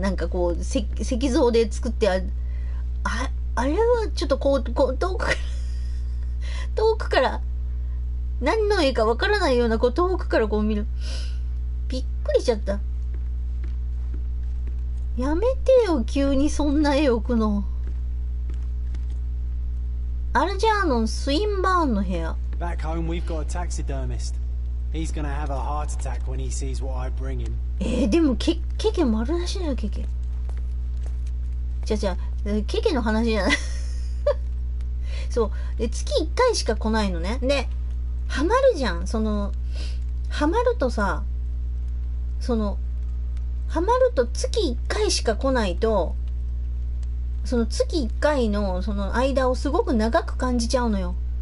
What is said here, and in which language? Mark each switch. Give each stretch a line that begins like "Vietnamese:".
Japanese: なんかこう石像で作ってあれはちょっとこう遠くから遠くから何の絵かわからないようなこう遠くからこう見る。びっくりしちゃった。やめてよ急にそんな絵置くの。アルジャーノン・スインバーンの部屋。
English: Back home we've got a taxidermist. He's gonna have a heart attack when he sees what I bring him.
Japanese: でもケケ丸出しだよケケ。じゃケケの話じゃない。そう、で月1回しか来ないのね。で、ハマるじゃん。そのハマるとさ、そのハマると月1回しか来ないと、その月1回のその間をすごく長く感じちゃうのよ。